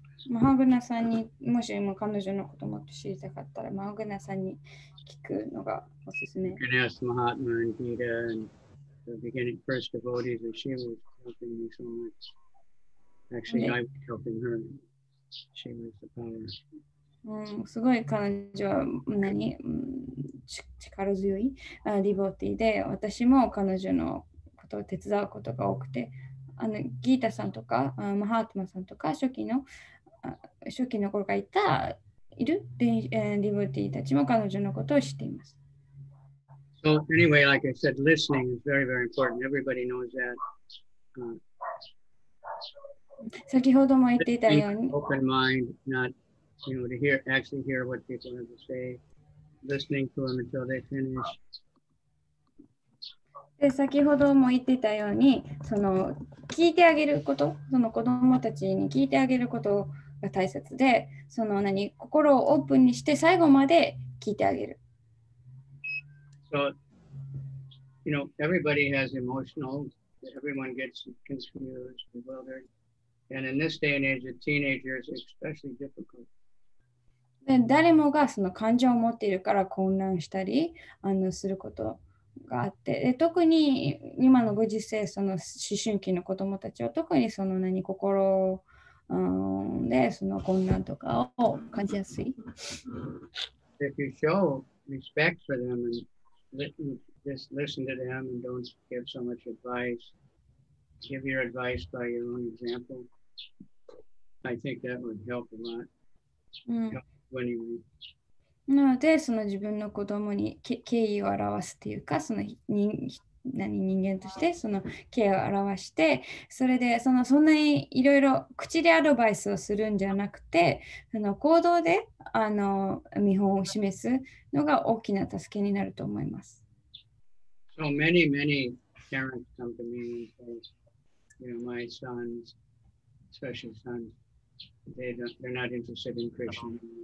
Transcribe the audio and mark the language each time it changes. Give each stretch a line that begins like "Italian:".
Japanese: マハグナさんにもしも彼女のこともっと知りたかったら、マハグナさんに聞くのがおすすめ。
English: You can ask Mahatma and Gita and... The beginning first devotees, and she was helping me so much. Actually, I was helping her. She was the power.
Japanese: すごい彼女は何力強いディボーティーで、私も彼女のことを手伝うことが多くて、あのギータさんとかマハートマさんとか初期の頃がいたいるディボーティーたちも彼女のことを知っています。
English: So anyway, like I said, listening is very, very important. Everybody knows that.
Japanese: 先ほども言っていたように、
English: open mind, not, you know, to hear, actually hear what people have to say, listening to them until they finish.
Japanese: で先ほども言っていたように、その聞いてあげること、その子供たちに聞いてあげることが大切で、その何心をオープンにして最後まで聞いてあげる。
English: So, you know, everybody has emotional, everyone gets confused, bewildered. And in this day and age, the teenager is especially difficult.
Japanese: 誰もがその感情を持っているから混乱したりすることがあって、で特に今のご時世、その思春期の子どもたちは特にその何心でその混乱とかを感じやすい。
English: If you show respect for them and just listen to them and don't give so much advice. Give your advice by your own example. I think that would help a lot.
Japanese: なので、その自分の子供に敬意を表すというか、その 人間としてその敬意を表して、それで そんなにいろいろ口でアドバイスをするんじゃなくて、その行動で見本を示すのが大きな助けになると思います。
English: So many, many parents come to me and say, you know, my son's special son, they're not interested in Christian.